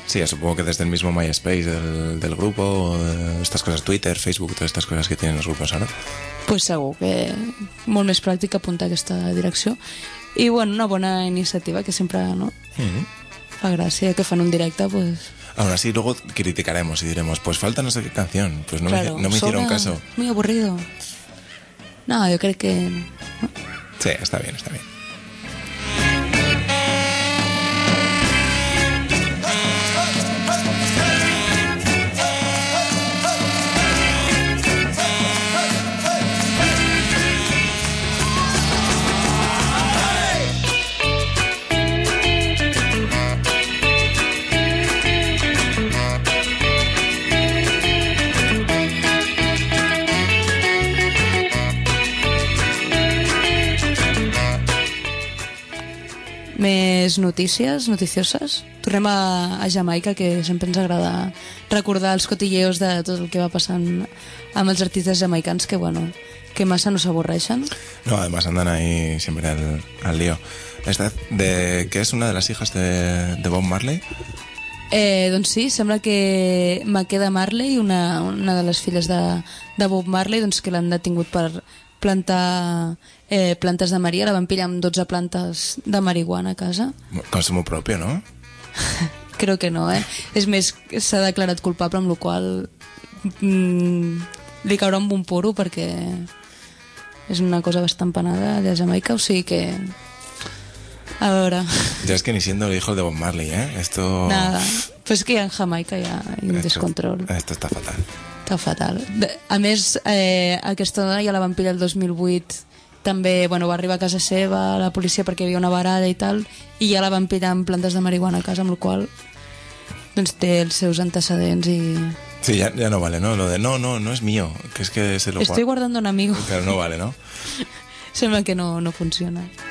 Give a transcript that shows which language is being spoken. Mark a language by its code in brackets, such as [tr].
[es] Sí, supongo que desde el mismo MySpace del grupo, estas cosas, Twitter, Facebook, todas estas cosas que tienen los grupos ahora. [ca] Pues segur que molt més pràctic apuntar aquesta direcció. I bueno, una bona iniciativa que sempre, no? Fa gràcia que fan un directe, pues... [es] Ahora sí, luego criticaremos y diremos, pues falta no sé qué canción, pues no, claro, no me hicieron caso. Muy aburrido. No, yo creo que... Sí, está bien. [ca] Més notícies, noticioses. Tornem a Jamaica, que sempre ens agrada recordar els cotilleos de tot el que va passant amb els artistes jamaicans, que, bueno, que massa no s'avorreixen. [es] No, además andan ahí siempre al lío. ¿Qué es una de las hijas de Bob Marley? [ca] Doncs sí, sembla que Makeda Marley, una de les filles de Bob Marley, doncs que l'han detingut per plantar... plantes de maria, la van pillar amb 12 plantes de marihuana a casa. Consumo propi, no? Crec que no, eh? És més, s'ha declarat culpable, amb la qual li caurà amb un puro perquè és una cosa bastant penada de Jamaica, o sigui que... A veure... Ja és que [es] ni siendo el hijo de Bob Marley, eh? Esto... [ca] Nada, però és que en Jamaica hi ha un descontrol. [es] Esto está fatal. Está fatal. [ca] A més, aquesta dona ja la van pillar el 2008... També, bueno, va arribar a casa seva la policia perquè hi havia una baralla i tal, i ja la van pillar amb plantes de marihuana a casa, amb la qual doncs té els seus antecedents i... [es] Sí, ya no vale, ¿no? Lo de no es mío, que es que se lo... Estoy guardando un amigo. Claro, no vale, ¿no? [ca] Sembla que no funciona.